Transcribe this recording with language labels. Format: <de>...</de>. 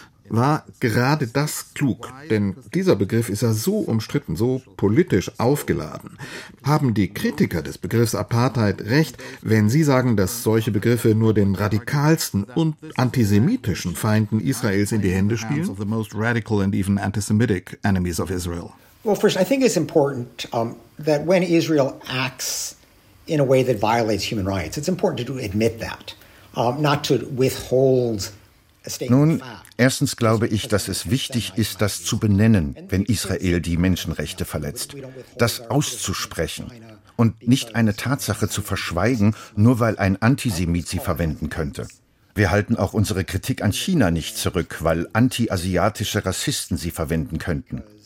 <de>War gerade das klug? Denn dieser Begriff ist ja so umstritten, so politisch aufgeladen. Haben die Kritiker des Begriffs Apartheid recht, wenn sie sagen, dass solche Begriffe nur den radikalsten und antisemitischen Feinden Israels in die Hände spielen?</de> <en>The most radical and even antisemitic enemies of Israel. Well, first, I think it's important that when Israel acts in a way that violates human rights, it's important to admit that, not to withhold a statement of fact.</en> <de>Nun, erstens glaube ich, dass es wichtig ist, das zu benennen, wenn Israel die Menschenrechte verletzt, das auszusprechen und nicht eine Tatsache zu verschweigen, nur weil ein Antisemit sie verwenden könnte. Wir halten auch unsere Kritik an China nicht zurück, weil anti-asiatische Rassisten sie verwenden könnten.</de>